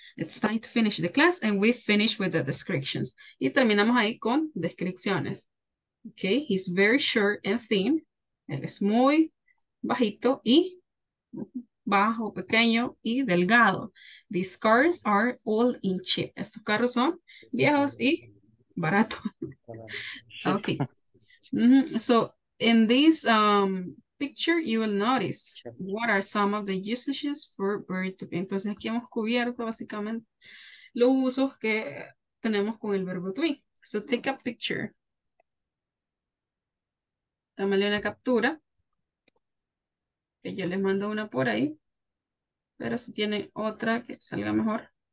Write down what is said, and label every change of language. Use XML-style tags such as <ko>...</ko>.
<en>It's time to finish the class and we finish with the descriptions.</en> <es>Y terminamos ahí con descripciones.</es> <en>Okay, he's very short and thin.</en> <es>Él es muy bajito y bajo, pequeño y delgado.</es> <en>These cars are old and cheap.</en> <es>Estos carros son viejos y baratos.</es> <en>Okay. Mm-hmm. So in this picture, you will notice what are some of the usages for verb to be.</en> <es>Entonces aquí hemos cubierto básicamente los usos que tenemos con el verbo to be.</es> <en>So take a picture.</en> <es>Tómale una captura. Que yo les mando una por ahí. Pero si tiene otra que salga mejor.</es>